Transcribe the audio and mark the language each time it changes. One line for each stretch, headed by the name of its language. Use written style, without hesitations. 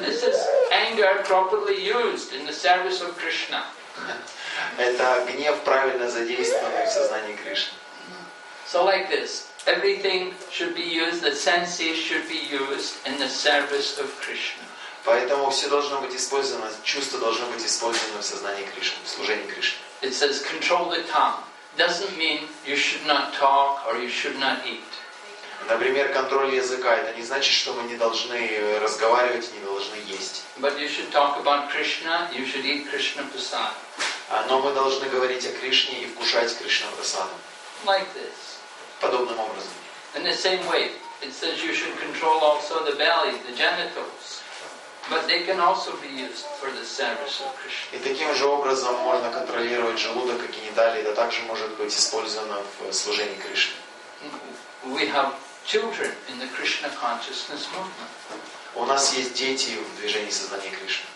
English: This is anger properly used in the service of Krishna.
Russian: Это гнев правильно задействованный в сознании Кришны.
English: So like this, everything should be used. The senses should be used in the service of Krishna.
Russian: Поэтому все должно быть использовано. Чувство должно быть использовано в сознании Кришны, в служении Кришне.
English: It says control the tongue. Doesn't mean you should not talk or you should not eat.
Russian: Например, контроль языка – это не значит, что мы не должны разговаривать и не должны есть.
English: But you should talk about Krishna, you should eat Krishna prasada.
Russian: Но мы должны говорить о Кришне и вкушать Кришна прасаду.
English: Like this.
Russian: Подобным образом.
English: In the same way, it says you should control also the belly, the genitals. But they can also be used for the service of Krishna.
Russian: И таким же образом можно контролировать желудок и гениталии. Это также может быть использовано в служении Кришне.
English: We have children in the Krishna consciousness movement.
Russian: У нас есть дети в движении сознания Кришны.